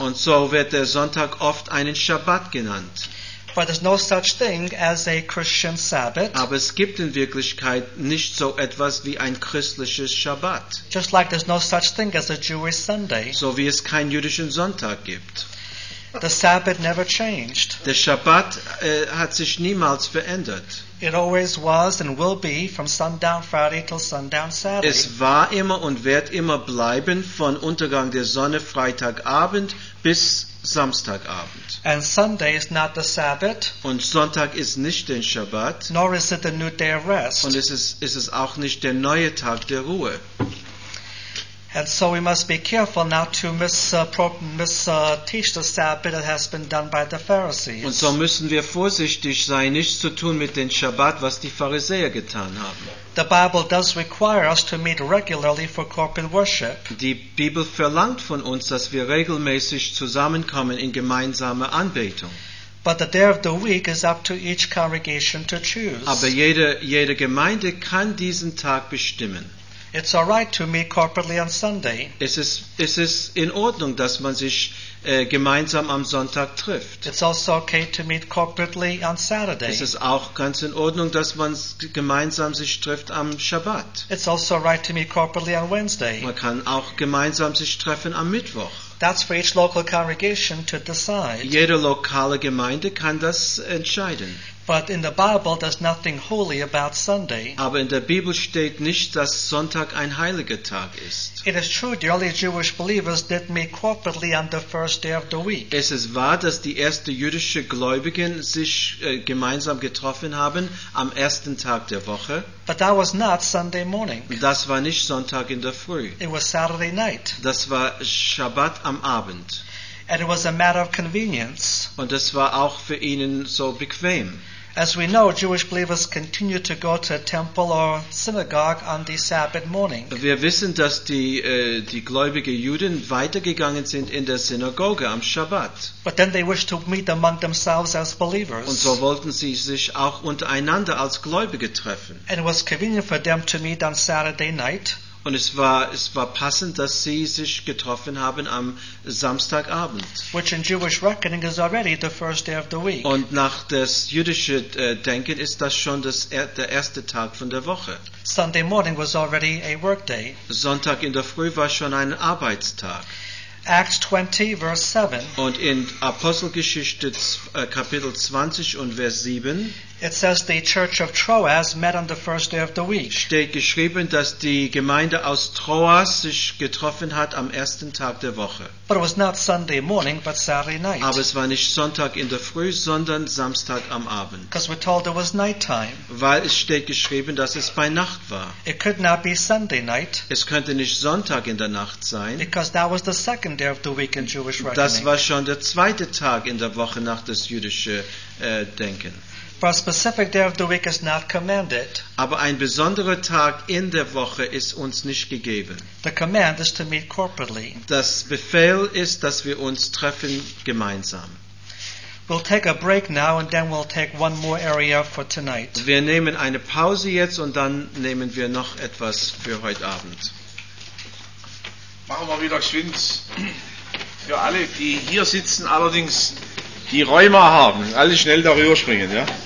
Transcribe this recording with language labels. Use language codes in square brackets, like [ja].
[de] Und so wird der Sonntag oft einen Shabbat genannt. [en] But there's no such thing as a Christian Sabbath. [de] Aber es gibt in Wirklichkeit nicht so etwas wie ein christliches Shabbat. [en] Just like there's no such thing as a Jewish Sunday. [de] So wie es keinen jüdischen Sonntag gibt. [en] The Sabbath never changed. [de] Der Shabbat hat sich niemals verändert. [en] It always was and will be from sundown Friday till sundown Saturday. [de] Es war immer und wird immer bleiben von Untergang der Sonne Freitagabend bis Samstagabend. [en] And Sunday is not the Sabbath. [de] Und Sonntag ist nicht den Shabbat. [en] Nor is it the new day of rest. [de] Und es ist auch nicht der neue Tag der Ruhe. [en] And so we must be careful not to misteach the Sabbath that has been done by the Pharisees. [de] Und so müssen wir vorsichtig sein, nichts zu tun mit dem Shabbat, was die Pharisäer getan haben. [en] The Bible does require us to meet regularly for corporate worship. [de] Die Bibel verlangt von uns, dass wir regelmäßig zusammenkommen in gemeinsame Anbetung. [en] But the day of the week is up to each congregation to choose. [de] Aber jede Gemeinde kann diesen Tag bestimmen. [en] It's all right to meet corporately on Sunday. [de] Es ist in Ordnung, dass man sich gemeinsam am Sonntag trifft. [en] It's also okay to meet corporately on Saturday. [de] Es ist auch ganz in Ordnung, dass man gemeinsam sich trifft am Shabbat. [en] It's also right to meet corporately on Wednesday. [de] Man kann auch gemeinsam sich treffen am Mittwoch. [en] That's for each local congregation to decide. [de] Jede lokale Gemeinde kann das entscheiden. [en] But in the Bible, there's nothing holy about Sunday. [de] Aber in der Bibel steht nicht, dass Sonntag ein heiliger Tag ist. [en] It is true the early Jewish believers did meet corporately on the first day of the week. [de] Es ist wahr, dass die ersten jüdischen Gläubigen sich gemeinsam getroffen haben am ersten Tag der Woche. [en] But that was not Sunday morning. [de] Das war nicht Sonntag in der Früh. [en] It was Saturday night. [de] Das war Shabbat am Abend. [en] And it was a matter of convenience. [de] Und es war auch für ihnen so bequem. [en] As we know, Jewish believers continued to go to a temple or synagogue on the Sabbath morning. [de] Wir wissen, dass die gläubigen Juden weitergegangen sind in der Synagoge am Shabbat. [en] But then they wished to meet among themselves as believers. [de] Und so wollten sie sich auch untereinander als Gläubige treffen. [en] And it was convenient for them to meet on Saturday night. [de] Und es war passend, dass sie sich getroffen haben am Samstagabend. [en] Which in Jewish reckoning is already the first day of the week. [de] Und nach das jüdische Denken ist das schon der erste Tag von der Woche. [en] Sunday morning was already a work day. [de] Sonntag in der Früh war schon ein Arbeitstag. [en] Acts 20, verse 7. [de] Und in Apostelgeschichte Kapitel 20 und Vers 7. [en] It says the church of Troas met on the first day of the week. [de] Steht geschrieben, dass die Gemeinde aus Troas sich getroffen hat am ersten Tag der Woche. [en] But it was not Sunday morning, but Saturday night. [de] Aber es war nicht Sonntag in der Früh, sondern Samstag am Abend. [en] Because we're told it was nighttime. [de] Weil es steht geschrieben, dass es bei Nacht war. [en] It could not be Sunday night. [de] Es könnte nicht Sonntag in der Nacht sein. [en] Because that was the second day of the week in Jewish reckoning. [de] Das war schon der zweite Tag in der Woche nach das jüdische Denken. [en] For a specific day of the week is not commanded. [de] Aber ein besonderer Tag in der Woche ist uns nicht gegeben. [en] The command is to meet corporately. [de] Das Befehl ist, dass wir uns treffen gemeinsam. [en] We'll take a break now and then we'll take one more area for tonight. [de] Wir nehmen eine Pause jetzt und dann nehmen wir noch etwas für heute Abend. Machen wir wieder Schwinz. für alle, die hier sitzen, allerdings die Rheuma haben, alle schnell darüber springen. Ja?